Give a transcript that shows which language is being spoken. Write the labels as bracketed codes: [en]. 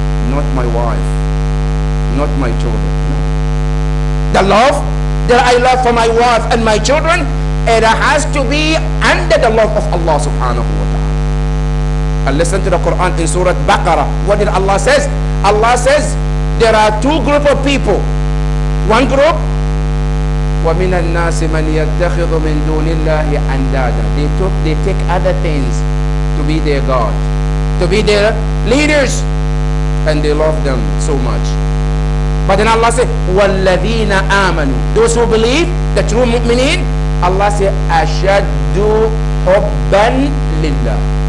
[en] Not my wife, not my children. No. The love that I love for my wife and my children, it has to be under the love of Allah subhanahu wa ta'ala. And listen to the Quran in Surah Baqarah. What did Allah says? Allah says, there are two group of people. One group, [ar] وَمِنَ النَّاسِ مَنْ يَتَّخِذُ مِنْ دُونِ اللَّهِ أَنْدَادًا. [en] They take other things to be their God, to be their leaders, and they love them so much. But then Allah said, [ar] وَالَّذِينَ آمَنُوا. [en] Those who believe, the true mu'mineen, Allah said, [ar] أَشَدُّ حُبًّا لِلَّهِ.